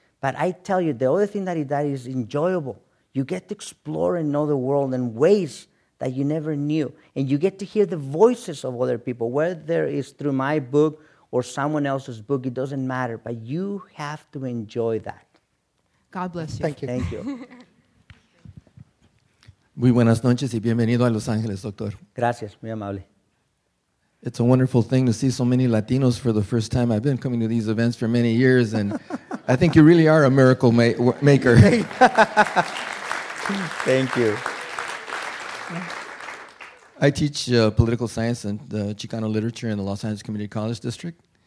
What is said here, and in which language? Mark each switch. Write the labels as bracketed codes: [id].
[en] But I tell you, the other thing that is enjoyable, you get to explore and know the world in ways that you never knew. And you get to hear the voices of other people, whether it's through my book or someone else's book, it doesn't matter, but you have to enjoy that. God bless you. Thank you. Thank you. [es] Muy buenas noches y bienvenido a Los Ángeles, doctor. Gracias, muy amable. [en] It's a wonderful thing to see so many Latinos for the first time. I've been coming to these events for many years, and I think you really are a miracle maker. Thank you. I teach political science and Chicano literature in the Los Angeles Community College District.